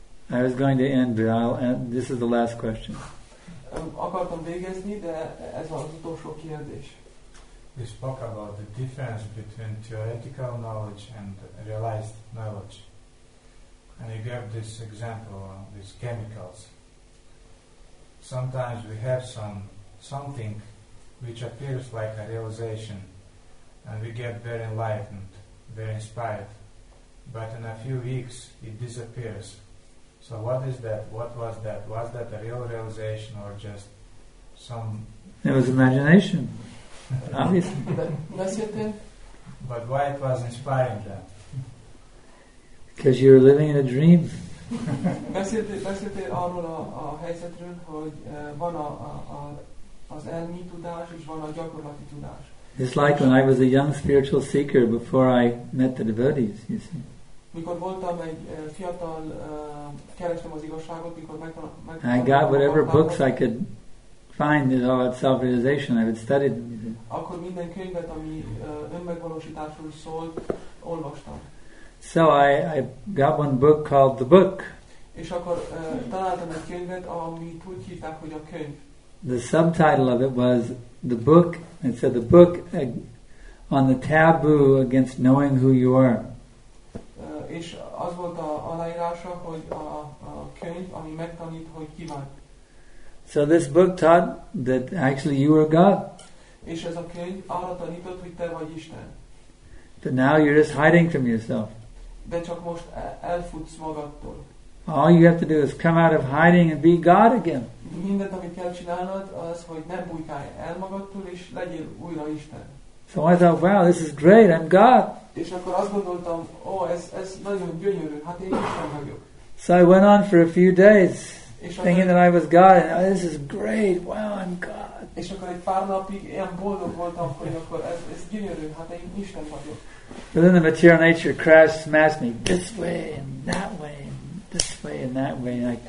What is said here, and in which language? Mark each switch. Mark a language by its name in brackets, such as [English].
[English] I was going to end, but this is the last question. [Hungarian] Akartam végezni, de ez van az utolsó kérdés. [English] We spoke about the difference between theoretical knowledge and realized knowledge. And you gave this example, these chemicals. Sometimes we have something which appears like a realization and we get very enlightened, very inspired. But in a few weeks it disappears. So what is that? What was that? Was that a real realization or just some. There was imagination, obviously. But why it was inspiring then? Because you were living in a dream. [Hungarian] Beszélte arról a helyzetről, hogy van az elmi tudás és van a gyakorlati tudás. [English] It's like when I was a young spiritual seeker before I met the devotees, you see. [Hungarian] Mikor voltam egy fiatal, kerestem az igazságot, mikor meg [English] I got whatever books I could find about self-realization, I would study them. [Hungarian] Akkor minden könyvet, ami önmegvalósításról szólt, olvastam. [English] So I got one book called The Book. [Hungarian] És akkor találtam egy könyvet, amit úgy hívták, hogy a könyv. [English] The subtitle of it was The Book, it said The Book on the Taboo Against Knowing Who You Are. [Hungarian] És az volt a aláírása, hogy a könyv, ami megtanít, hogy ki vagy. [English] So this book taught that actually you are God. [Hungarian] És ez a könyv arra tanított, hogy te vagy Isten. [English] But now you're just hiding from yourself. [Hungarian] De csak most elfutsz magadtól. [English] All you have to do is come out of hiding and be God again. [Hungarian] Mindent, amit kell csinálnod, az, hogy ne bújkálj el magadtól, és legyél újra Isten. [English] So I thought, wow, this is great, I'm God. [Hungarian] És akkor azt gondoltam, ez nagyon gyönyörű, hát én Isten vagyok. [English] So I went on for a few days, thinking that I was God, and oh, this is great, wow, I'm God. [Hungarian] És akkor egy pár napig ilyen boldog voltam, hogy akkor ez gyönyörű, hát én Isten vagyok. [English] But then the material nature crashed, smashed me this way and that way and this way and that way.